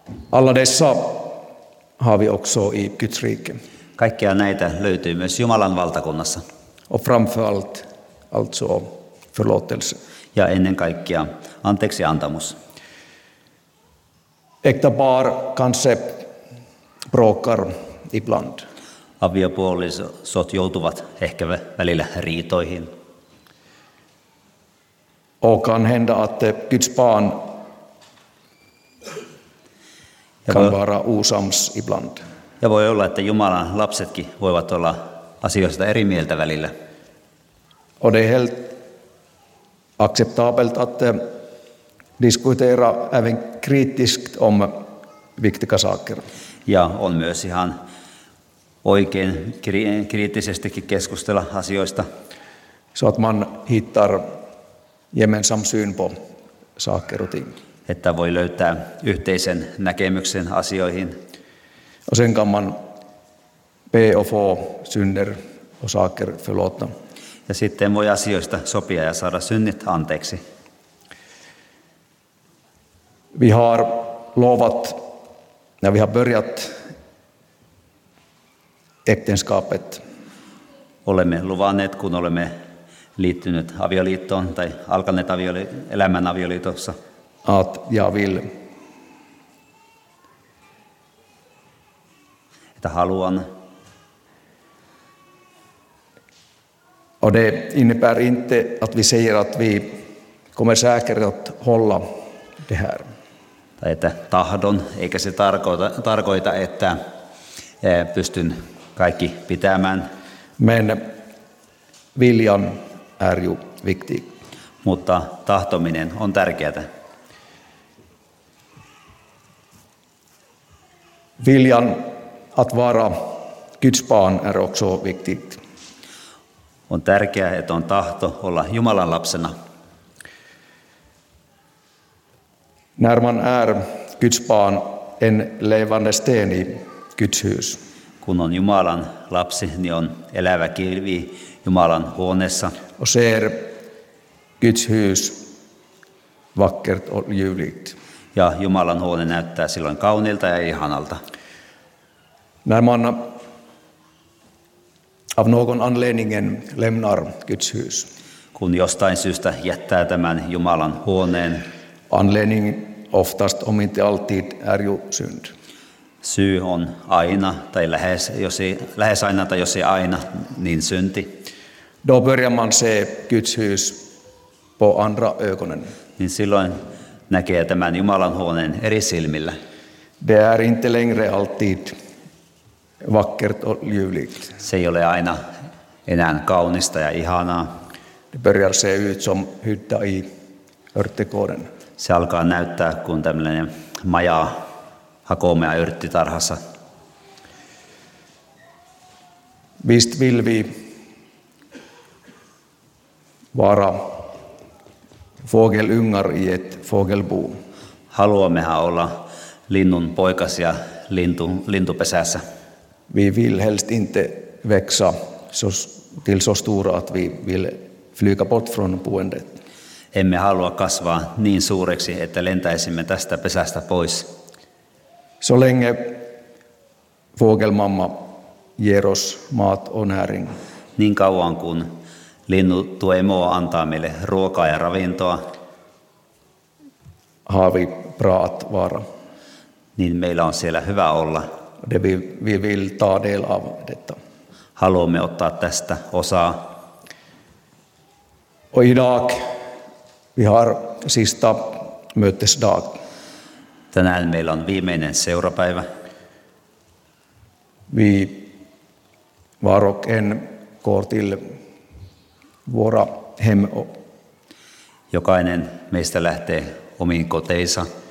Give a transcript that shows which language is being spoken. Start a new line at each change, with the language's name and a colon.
Swedish: Alla dessa har vi också i Guds rike.
Finnish: Kaikkia näitä löytyy myös Jumalan valtakunnassa.
Swedish: Och framförallt alltså förlåtelse.
Finnish: Ja ennen kaikkea anteeksi antamus.
Swedish: Äkta par kanske bråkar ibland.
Finnish: Aviopuolisot joutuvat ehkä välillä riitoihin.
Swedish: Och kan hända att Guds barn kan vara osams ibland.
Finnish: Ja voi olla, että Jumalan lapsetkin voivat olla asioista eri mieltä välillä.
Swedish: Och det är helt acceptabelt att diskutera även kritiskt om viktiga saker.
Finnish: Ja on myös ihan oikein kriittisestikin keskustella asioista.
Swedish: Så att man hittar gemensam syn på saker och ting.
Finnish: Että voi löytää yhteisen näkemyksen asioihin.
Swedish: Och sen kan man be och få synder och saker förlåta.
Finnish: Ja sitten voi asioista sopia ja saada synnit anteeksi.
Swedish: Vi har lovat när vi har börjat äktenskapet.
Finnish: Olemme luvanneet, kun olemme liittyneet avioliittoon tai alkaneet elämän avioliitossa.
Swedish: Att jag vill.
Finnish: Että haluan.
Swedish: Och det innebär inte att vi säger att vi kommer säkert att hålla det här.
Finnish: Tai että tahdon, eikä se tarkoita että pystyn kaikki pitämään.
Swedish: Men viljan är ju viktig.
Finnish: Mutta tahtominen on tärkeätä.
Swedish: Viljan att vara Guds barn är också viktigt.
Finnish: On tärkeää, että on tahto olla Jumalan lapsena.
Swedish: När man är Guds barn, en levande sten i Guds hus.
Finnish: Kun on Jumalan lapsi, niin on elävä kivi Jumalan huoneessa.
Swedish: Och ser Guds hus vackert och ljuvligt.
Finnish: Ja Jumalan huone näyttää silloin kauniilta ja ihanalta.
Swedish: När man av någon anledningen lämnar Guds hus.
Finnish: Kun jostain syystä jättää tämän Jumalan huoneen.
Swedish: Anledning oftast om inte alltid är ju synd.
Finnish: Syy on aina tai lähes aina tai jos ei aina, niin synti.
Swedish: Då börjar man se Guds hus på andra ögonen.
Finnish: Niin silloin näkee tämän Jumalan huoneen eri silmillä.
Swedish: Det är inte längre alltid vackert och ljuvligt.
Finnish: Se ei ole aina enää kaunista ja ihanaa.
Swedish: Det börjar se ut som hytta i örtegården.
Finnish: Se alkaa näyttää kuin tämmöinen maja hakomea yrttitarhassa.
Swedish: Visst vill vi vara fågelungar i ett fågelbo.
Finnish: Haluammehan olla linnun poikasia lintupesässä.
Swedish: Vi vill helst inte växa till så stora att vi vill flyga bort från boendet.
Finnish: Emme halua kasvaa niin suureksi, että lentäisimme tästä pesästä pois.
Swedish: Så länge fågelmamma ger oss mat och näring.
Finnish: niin kauan kuin linnu tuo emoa antaa meille ruokaa ja ravintoa.
Swedish: Havi praat vara.
Finnish: Niin meillä on siellä hyvä olla.
Swedish: Det vi vill ta del av detta.
Finnish: Haluamme ottaa tästä osaa.
Swedish: Och idag vi har sista mötesdag.
Finnish: Tänään meillä on viimeinen seurapäivä.
Swedish: Vi var och en går till våra hem.
Finnish: Jokainen meistä lähtee omiin koteisa.